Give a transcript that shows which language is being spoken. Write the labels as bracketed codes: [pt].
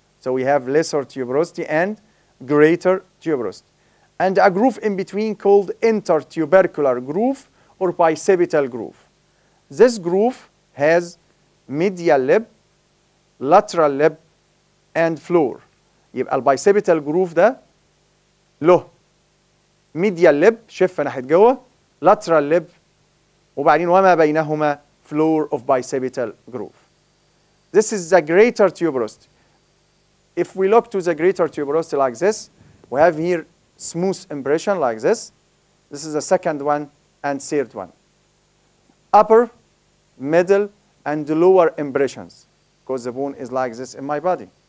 [en] So we have lesser tuberosity and greater tuberosity. And a groove in between called intertubercular groove or bicipital groove. This groove has medial lip, lateral lip, and floor. [ar] يبقى البايسيبيتال جروف ده له ميديال ليب شفه ناحيه جوه، لاترال ليب، وبعدين وما بينهما فلور اوف بايسيبيتال جروف. [en] This is the greater tuberosity. If we look to the greater tuberosity like this, we have here smooth impression like this. This is the second one and third one. Upper, middle, and lower impressions, because the bone is like this in my body.